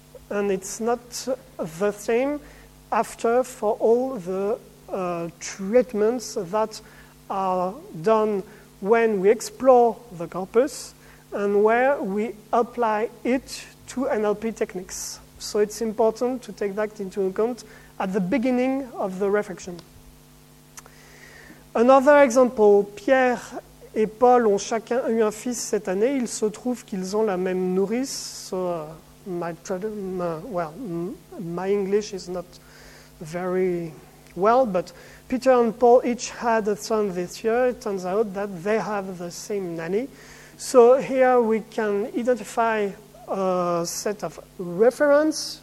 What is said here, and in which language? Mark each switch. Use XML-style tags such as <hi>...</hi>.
<en>And it's not the same after for all the treatments that are done when we explore the corpus and where we apply it to NLP techniques. So it's important to take that into account at the beginning of the reflection.</en> <fr>Another example, Pierre et Paul ont chacun eu un fils cette année. Il se trouve qu'ils ont la même nourrice.</fr> <en>So, my English is not very well, but Peter and Paul each had a son this year. It turns out that they have the same nanny. So here we can identify a set of reference.</en>